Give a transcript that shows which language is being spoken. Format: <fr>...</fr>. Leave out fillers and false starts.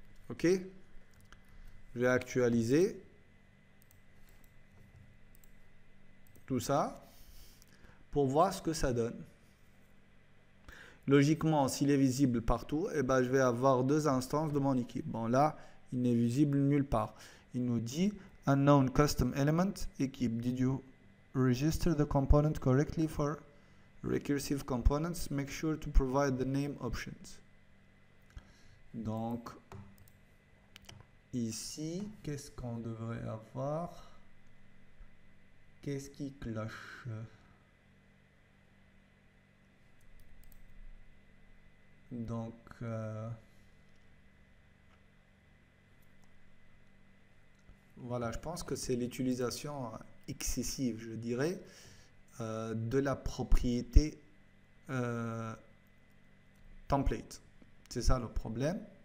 <fr>OK? Je vais actualiser tout ça pour voir ce que ça donne. Logiquement, s'il est visible partout, eh ben, je vais avoir deux instances de mon équipe. Bon, là, il n'est visible nulle part. Il nous dit Unknown Custom Element, équipe.</fr> <en>Did you register the component correctly for recursive components? Make sure to provide the name options.</en> <fr>Donc, ici, qu'est-ce qu'on devrait avoir? Qu'est-ce qui cloche? Donc, voilà, je pense que c'est l'utilisation excessive, je dirais, de la propriété template. C'est ça le problème.</fr>